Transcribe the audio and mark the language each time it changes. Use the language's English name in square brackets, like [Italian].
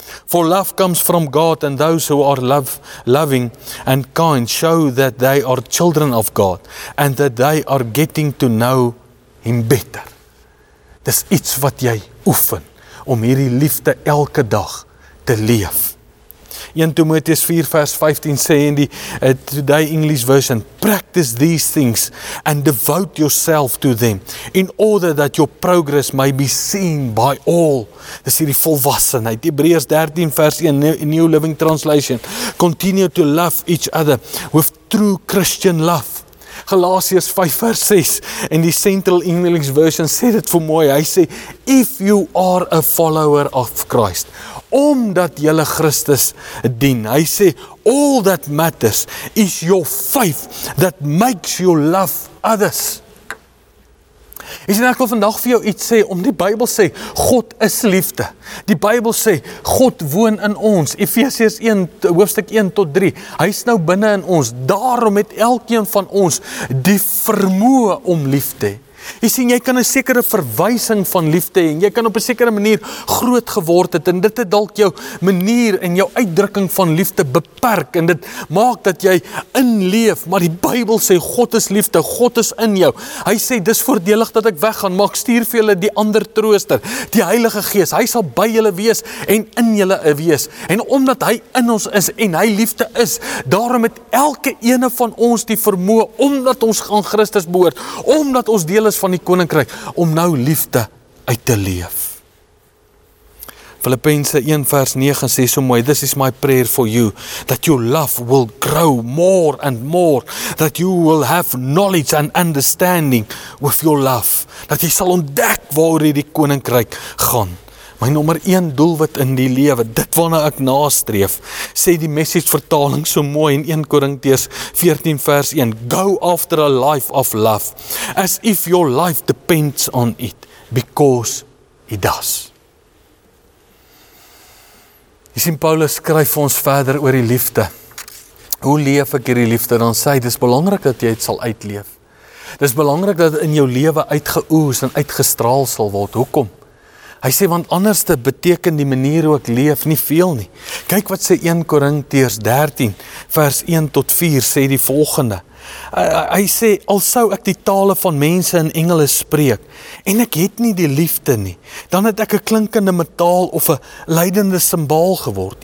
[English] For love comes from God and those who are loving and kind show that they are children of God and that they are getting to know Him better. [Afrikaans] Dis iets wat jy oefen om hierdie liefde elke dag te leef. 1 Timoteus 4 vers 15 sê in die Today English version, [English] Practice these things and devote yourself to them in order that your progress may be seen by all. [Afrikaans] Dis hierdie volwassenheid. Hebreërs 13 vers 1, [English] New Living Translation, Continue to love each other with true Christian love. [Afrikaans] Galasiërs 5 vers 6 en die Central English version sê dit vir mooi. Hy sê, [English] If you are a follower of Christ, [Afrikaans] omdat julle Christus dien. Hy sê, [English] all that matters is your faith that makes you love others. [Afrikaans] Jy sê, ek wil vandag vir jou iets sê, om die Bybel sê, God is liefde. Die Bybel sê, God woon in ons. Efesiërs 1, hoofstuk 1 tot 3. Hy is nou binne in ons. Daarom het elkeen van ons die vermoë om liefde. Jy sien, jy kan 'n sekere verwysing van liefde hê. Jy kan op 'n sekere manier groot geword het en dit het dalk jou manier en jou uitdrukking van liefde beperk en dit maak dat jy inleef, maar die Bybel sê God is liefde, God is in jou. Hy sê dis voordelig dat ek weggaan, maar ek stuur vir julle die ander trooster, die Heilige Gees. Hy sal by julle wees en in julle wees. En omdat hy in ons is en hy liefde is, daarom het elke ene van ons die vermoë omdat ons aan Christus behoort, omdat ons deel is van die koninkryk, om nou liefde uit te leef. Filippense 1 vers 9 sê so mooi, [English] this is my prayer for you, that your love will grow more and more, that you will have knowledge and understanding with your love, [Afrikaans] dat jy sal ontdek waar die koninkryk gaan. My nommer 1 doelwit in die lewe, dit waarna ek nastreef, sê die message vertaling so mooi in 1 Korintiërs 14 vers 1, [English] go after a life of love, as if your life depends on it, because it does. [Afrikaans] Jy sien, Paulus skryf ons verder oor die liefde. Hoe leef ek hierdie liefde? Dan sê hy, dis belangrik dat jy dit sal uitleef. Dis belangrik dat in jou lewe uitgeoes en uitgestraal sal word. Hoekom? Hy sê, want anders te beteken die manier hoe ek leef nie veel nie. Kyk wat sê 1 Korintiërs 13 vers 1 tot 4 sê die volgende. Hy sê, al sou ek die tale van mense en engele spreek en ek het nie die liefde nie, dan het ek 'n klinkende metaal of 'n lydende simbaal geword.